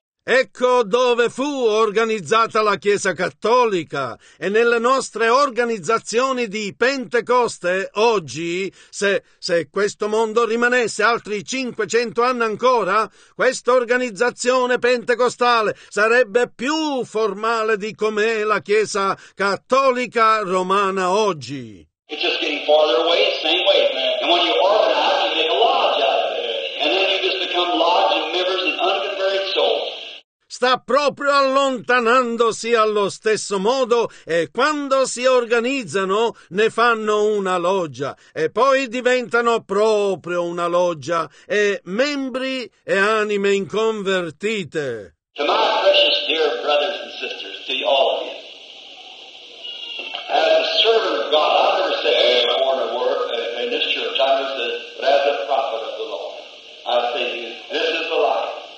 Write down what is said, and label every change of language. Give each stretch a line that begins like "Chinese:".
Italian: Ecco dove fu organizzata la Chiesa Cattolica, e nelle nostre organizzazioni di Pentecoste oggi, se questo mondo rimanesse altri 500 anni ancora, questa organizzazione pentecostale sarebbe più formale di com'è la Chiesa Cattolica Romana oggi.
English: It's just getting farther away, same way. And when you organize, you make a lodge out of it. And then you just become lodging members and unconverted souls.
Italian: Sta proprio allontanandosi allo stesso modo, e quando si organizzano ne fanno una loggia e poi diventano proprio una loggia e membri e anime inconvertite.
English: To my precious dear brothers and sisters, to all of you, as a servant of God, I never say I am a born of work in this church. I never say, but as a prophet of the Lord, I say to you, this is the life.